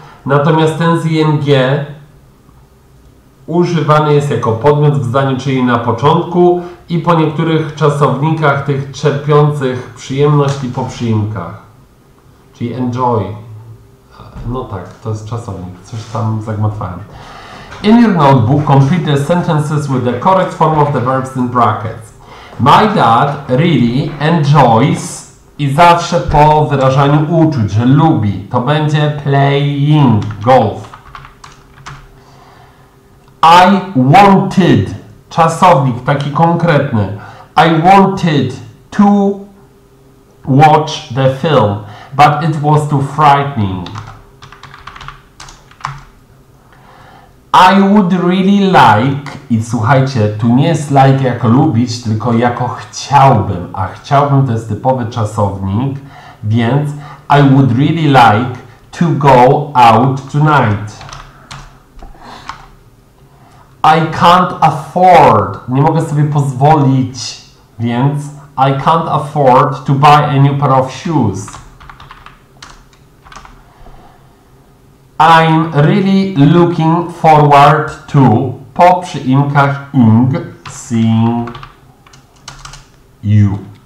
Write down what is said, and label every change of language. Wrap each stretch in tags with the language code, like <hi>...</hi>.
<pl>Natomiast ten z ing używany jest jako podmiot w zdaniu, czyli na początku i po niektórych czasownikach tych czerpiących przyjemność i po przyimkach. Czyli enjoy. No tak, to jest czasownik. Coś tam zagmatwałem.</pl> <en>In your notebook, complete the sentences with the correct form of the verbs in brackets. My dad really enjoys</en> <pl>i zawsze po wyrażaniu uczuć, że lubi. To będzie</pl> <en>playing golf. I wanted,</en> <pl>czasownik taki konkretny.</pl> <en>I wanted to watch the film, but it was too frightening. I would really like,</en> <pl>i słuchajcie, tu nie jest like jako lubić, tylko jako chciałbym. A chciałbym to jest typowy czasownik, więc</pl> <en>I would really like to go out tonight. I can't afford,</en> <pl>nie mogę sobie pozwolić, więc</pl> <en>I can't afford to buy a new pair of shoes. I'm really looking forward to,</en> <pl>po przyimkach ing,</pl> <en>seeing you.</en>